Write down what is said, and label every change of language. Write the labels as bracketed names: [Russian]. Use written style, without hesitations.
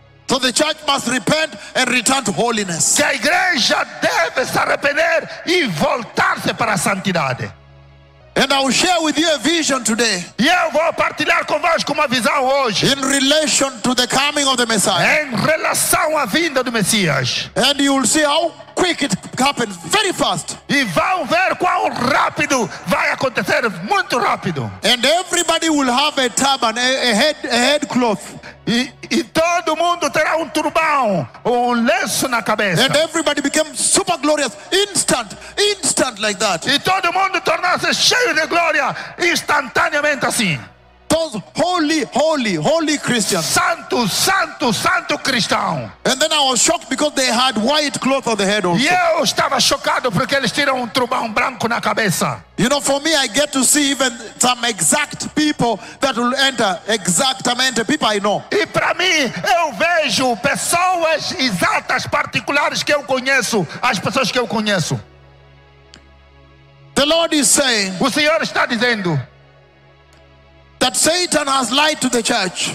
[English] So the church must repent and return to holiness. [Portuguese] Que a igreja deve se arrepender e voltar-se para a santidade. [English] And I will share with you a vision today. [Portuguese] E eu vou partilhar convosco uma visão hoje. [English] In relation to the coming of the Messiah. [Portuguese] Em relação à vinda do Messias. [English] And you will see how quick it happens, very fast. [Portuguese] E vão ver quão rápido vai acontecer, muito rápido. [English] And everybody will have a turban, a head cloth. [Portuguese] E todo mundo terá um turbão, um lenço na cabeça. [English] And everybody became super glorious, instant like that. [Portuguese] E todo mundo tornasse cheio de glória, instantaneamente assim. [English] Those holy, holy, holy Christians. [Portuguese] Santo, santo, santo cristão. [English] And then I was shocked because they had white cloth on the head also. [Portuguese] E eu estava chocado porque eles tinham um turbão branco na cabeça. [English] You know, for me, I get to see even some exact people that will enter. Exactamente, people I know. [Portuguese] E para mim, eu vejo pessoas exatas, particulares que eu conheço. As pessoas que eu conheço. [English] The Lord is saying. [Portuguese] O Senhor está dizendo. [English] That Satan has lied to the church.